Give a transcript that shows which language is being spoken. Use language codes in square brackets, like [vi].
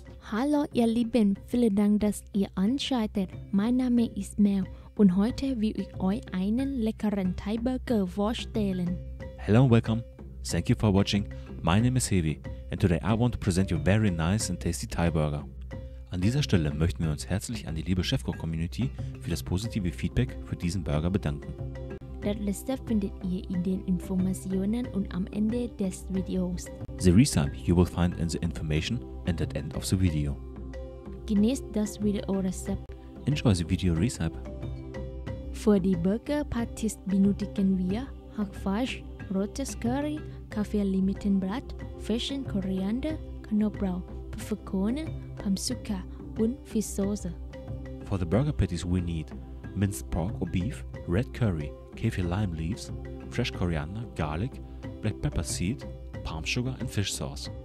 [de] Hallo ihr Lieben, vielen Dank, dass ihr einschaltet. Mein Name ist Mel und heute will ich euch einen leckeren Thai-Burger vorstellen. [en] Hello and welcome. Thank you for watching. My name is Hevi and today I want to present you a very nice and tasty Thai burger. [de] An dieser Stelle möchten wir uns herzlich an die liebe Chefkoch-Community für das positive Feedback für diesen Burger bedanken. Das Rezept findet ihr in den Informationen und am Ende des Videos. [en] The recipe you will find in the information and at the end of the video. [de] Genießt das Video-Rezept. [en] Enjoy the video recipe. [de] Für die Burger-Patties benötigen wir Hackfleisch, rotes Curry, Kaffee-Limettenblatt, frischen Koriander, Knoblauch, Pfefferkörner, Pamsuka und Fischsoße. [en] For the burger patties we need minced pork or beef, red curry, Kaffee lime leaves, fresh coriander, garlic, black pepper seed, palm sugar and fish sauce.